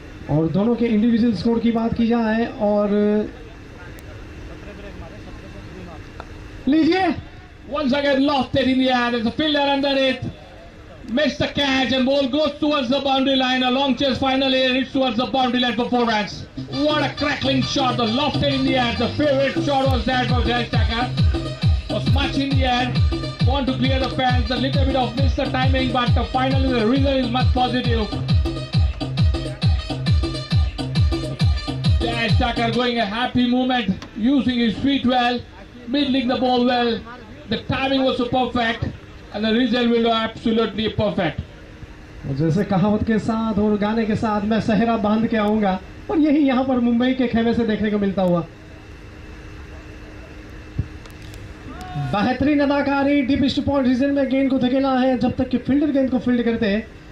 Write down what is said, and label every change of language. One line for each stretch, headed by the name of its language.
Hindi: और दोनों के इंडिविजुअल स्कोर की बात की जाए और लीजिए
English: Once again lofted in the air as a fielder under it missed the catch and ball goes towards the boundary line, a long chase finally reach towards the boundary line for 4 run. What a crackling shot, the lofted in the air. The favorite shot was that of Jay Stacker. Was much in the air, want to clear the fence, a little bit of miss the timing, but finally the result is much positive. Jay Stacker going a happy movement, using his feet well, middling the ball well. The timing was perfect and the result will be absolutely perfect.
Hindi: जैसे कहावत के साथ और गाने के साथ मैं सहरा बांध के आऊंगा, और यही यहां पर मुंबई के खेमे से देखने को मिलता हुआ. बेहतरीन अदाकारी, डीप स्पॉट रीजन में गेंद को धकेला है जब तक कि फील्डर गेंद को फील्ड करते हैं.